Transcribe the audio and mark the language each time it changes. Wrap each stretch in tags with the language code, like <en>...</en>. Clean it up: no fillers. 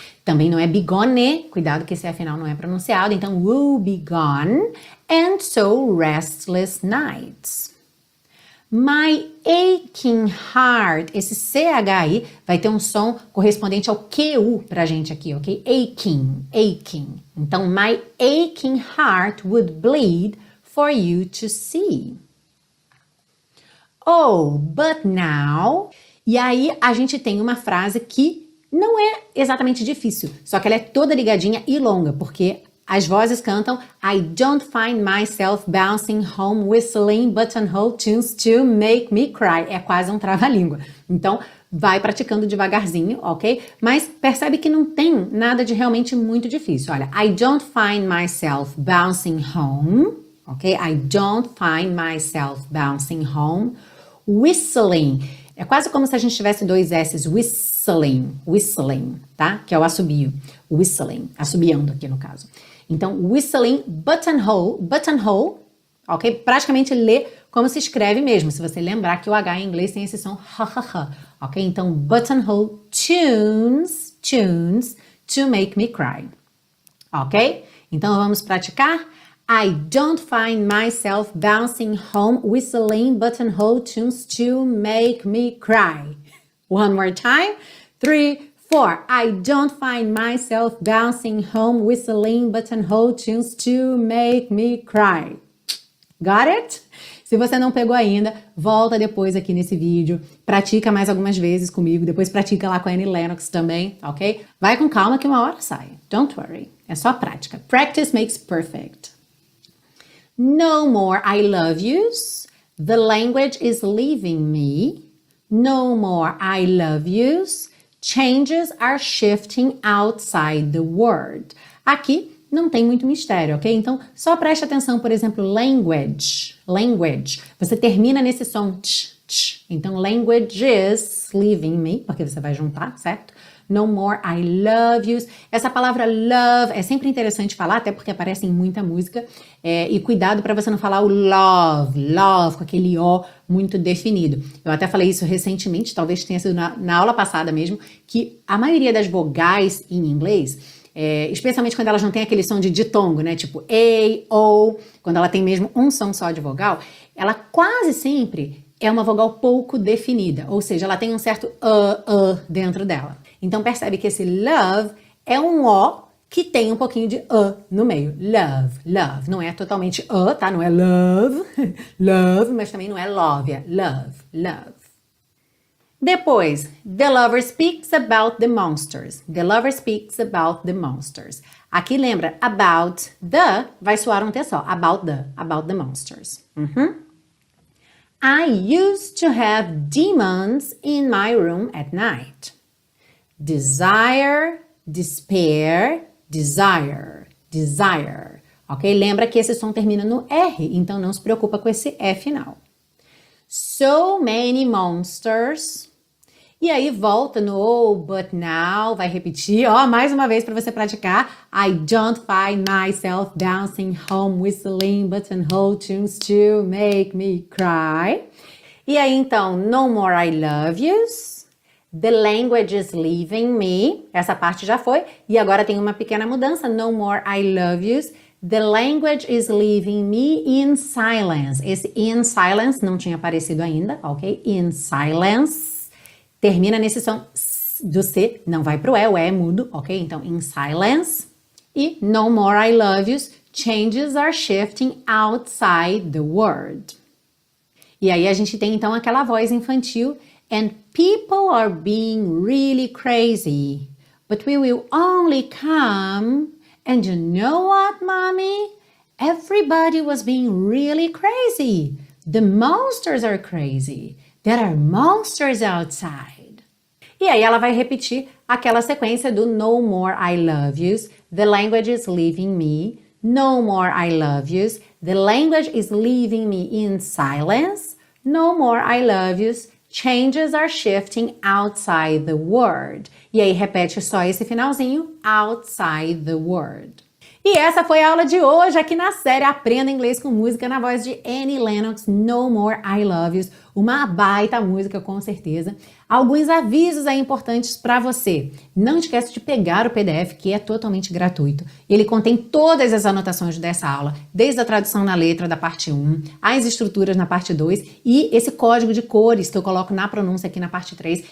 <pt>Também não é bigone, cuidado que esse afinal não é pronunciado.</pt> <en>Então, woe be gone and so restless nights. My aching heart,</en> <pt>esse CHI vai ter um som correspondente ao QU pra gente aqui, ok?</pt> <en>Aching, aching. Então, my aching heart would bleed for you to see. Oh, but now...</en> <pt>E aí a gente tem uma frase que não é exatamente difícil, só que ela é toda ligadinha e longa, porque as vozes cantam</pt> <en>I don't find myself bouncing home whistling buttonhole tunes to make me cry.</en> <pt>É quase um trava-língua. Então, vai praticando devagarzinho, ok? Mas percebe que não tem nada de realmente muito difícil.</pt> <en>Olha, I don't find myself bouncing home, ok? I don't find myself bouncing home whistling.</en> <pt>É quase como se a gente tivesse dois S's, whistling, whistling, tá? Que é o assobio, whistling, assobiando aqui no caso. Então, whistling, buttonhole, buttonhole, ok? Praticamente lê como se escreve mesmo, se você lembrar que o H em inglês tem esse som ha-ha-ha, ok?</pt> <en>Então, buttonhole, tunes, tunes, to make me cry, ok?</en> <pt>Então, vamos praticar?</pt> <en>I don't find myself bouncing home whistling buttonhole tunes to make me cry. One more time. 3, 4. I don't find myself bouncing home whistling buttonhole tunes to make me cry. Got it?</en> <pt>Se você não pegou ainda, volta depois aqui nesse vídeo. Pratica mais algumas vezes comigo. Depois pratica lá com a Annie Lennox também, ok? Vai com calma que uma hora sai.</pt> <en>Don't worry.</en> <pt>É só prática.</pt> <en>Practice makes perfect. No more I love yous. The language is leaving me. No more I love yous. Changes are shifting outside the word.</en> <pt>Aqui não tem muito mistério, ok? Então, só preste atenção, por exemplo, language. Language. Você termina nesse som tch, tch. Então,</pt> <en>language is leaving me,</en> <pt>porque você vai juntar, certo?</pt> <en>No more I love yous.</en> <pt>Essa palavra love é sempre interessante falar, até porque aparece em muita música. É, e cuidado para você não falar o love, love, com aquele O muito definido. Eu até falei isso recentemente, talvez tenha sido na aula passada mesmo, que a maioria das vogais em inglês, especialmente quando elas não têm aquele som de ditongo, né? Tipo A, O, quando ela tem mesmo um som só de vogal, ela quase sempre é uma vogal pouco definida. Ou seja, ela tem um certo dentro dela. Então percebe que esse love é um O que tem um pouquinho de no meio. Love, love. Não é totalmente tá? Não é love, love, mas também não é love. É love, love.</pt> <en>Depois, the lover speaks about the monsters. The lover speaks about the monsters.</en> <pt>Aqui lembra,</pt> <en>about the,</en> <pt>vai soar um T só.</pt> <en>About the monsters. Uhum. I used to have demons in my room at night. Desire, despair, desire, desire. Ok?</en> <pt>Lembra que esse som termina no R, então não se preocupa com esse F final.</pt> <en>So many monsters.</en> <pt>E aí volta no</pt> <en>oh, but now,</en> <pt>vai repetir, ó, mais uma vez para você praticar.</pt> <en>I don't find myself dancing home whistling buttonhole tunes to make me cry.</en> <pt>E aí então,</pt> <en>no more I love yous. The language is leaving me.</en> <pt>Essa parte já foi. E agora tem uma pequena mudança.</pt> <en>No more I love yous. The language is leaving me in silence.</en> <pt>Esse in silence não tinha aparecido ainda, ok?</pt> <en>In silence.</en> <pt>Termina nesse som do C. Não vai pro E. O E é mudo, ok?</pt> <en>Então, in silence. E no more I love yous. Changes are shifting outside the word.</en> <pt>E aí a gente tem, então, aquela voz infantil.</pt> <en>And people are being really crazy, but we will only come. And you know what, mommy? Everybody was being really crazy. The monsters are crazy. There are monsters outside.</en> <pt>E aí ela vai repetir aquela sequência do</pt> <en>no more I love yous. The language is leaving me. No more I love yous. The language is leaving me in silence. No more I love yous. Changes are shifting outside the word.</en> <pt>E aí, repete só esse finalzinho,</pt> <en>outside the word.</en> <pt>E essa foi a aula de hoje aqui na série Aprenda Inglês com Música na voz de Annie Lennox, No More I Love Yous. Uma baita música, com certeza. Alguns avisos aí importantes para você. Não esquece de pegar o PDF, que é totalmente gratuito. Ele contém todas as anotações dessa aula, desde a tradução na letra da parte 1, as estruturas na parte 2 e esse código de cores que eu coloco na pronúncia aqui na parte 3.</pt>